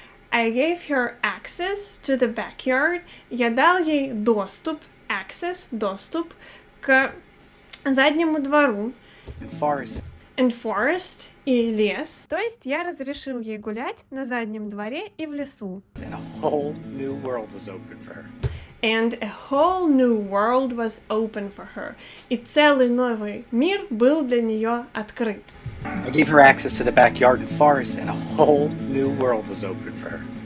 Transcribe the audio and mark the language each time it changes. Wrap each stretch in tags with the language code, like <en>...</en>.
<en>I gave her access to the backyard.</en> <ru>Я дал ей доступ, access, доступ к заднему двору.</ru> <en>And forest,</en> <ru>и лес. То есть я разрешил ей гулять на заднем дворе и в лесу.</ru> <en>And a whole new world was open for her. And a whole new world was open for her.</en> <ru>И целый новый мир был для нее открыт.</ru> <en>I gave her access to the backyard and forest, and a whole new world was open for her.</en>